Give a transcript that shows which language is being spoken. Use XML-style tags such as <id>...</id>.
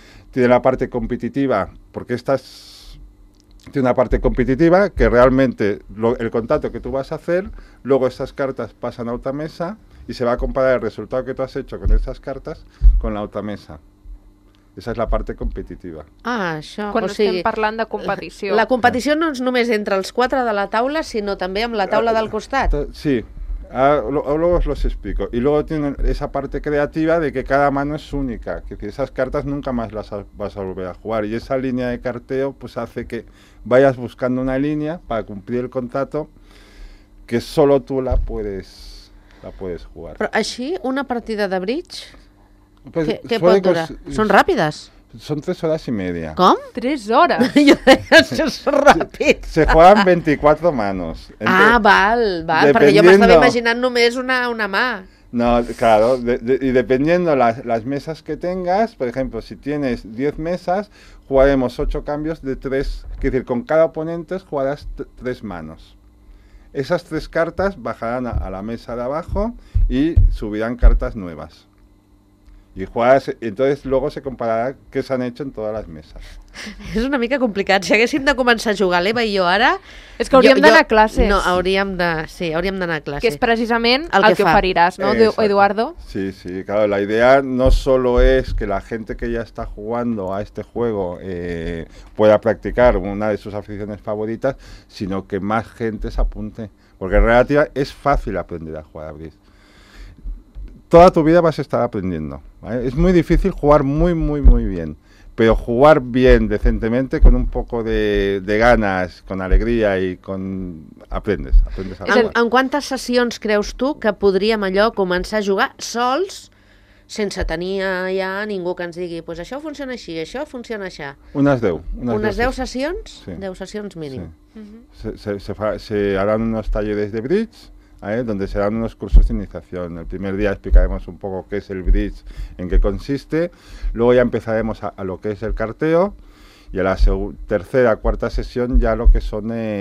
<es>Tiene la parte competitiva, porque estas... Tiene una parte competitiva que realmente el contacto que tú vas a hacer, luego esas cartas pasan a otra mesa y se va a comparar el resultado que tú has hecho con esas cartas con la otra mesa. Esa es la parte competitiva.</es> <ca>Ah, això. Quan o estem sigui, parlant de competició. La competició no és només entre els quatre de la taula, sinó també amb la taula del costat.</ca> <es>Sí. Luego os los explico. Y luego tienen esa parte creativa de que cada mano es única. Que esas cartas nunca más las vas a volver a jugar. Y esa línea de carteo pues hace que vayas buscando una línea para cumplir el contrato que solo tú la puedes jugar.</es> <ca>Però així, una partida de bridge, pues, què pot durar? Són ràpides? Són 3 hores i media. Com? 3 hores? Jo deia, això és ràpid.</ca> <es>Se juegan 24 manos.</es> <ca>Ah, val. Perquè jo m'estava imaginant només una mà.</ca> <es>No, claro, y dependiendo las mesas que tengas, por ejemplo, si tienes 10 mesas, jugaremos 8 cambios de 3, es decir, con cada oponente jugarás 3 manos. Esas 3 cartas bajarán a la mesa de abajo y subirán cartas nuevas. Y jugarás, entonces luego se comparará qué se han hecho en todas las mesas.</es> <ca>És una mica complicat. Si haguéssim de començar a jugar l'Eva i jo ara... És que hauríem d'anar a classes. No, hauríem de... Sí, hauríem d'anar a classes. Que és precisament el que oferiràs, no, exacto. Eduardo? Sí, sí.</ca> <es>Claro, la idea no solo es que la gente que ya está jugando a este juego pueda practicar una de sus aficiones favoritas, sino que más gente se apunte. Porque en realidad es fácil aprender a jugar a bridge. Toda tu vida vas a estar aprendiendo, ¿vale? Es muy difícil jugar muy, muy, muy bien. Pero jugar bien, decentemente, con un poco de ganas, con alegría y con... Aprendes a jugar.</es> <ca>En quantes sessions creus tu que podríem allò començar a jugar sols, sense tenir ja ningú que ens digui pues això funciona així, això funciona així? Unes 10 sessions? Sí. 10 sessions mínim. Sí.</ca> <es>Se harán unos talleres de bridge, ¿eh?, donde se dan unos cursos de iniciación. El primer día explicaremos un poco qué es el bridge, en qué consiste. Luego ya empezaremos a lo que es el carteo. Y a la tercera, cuarta sesión ya lo que son...</es>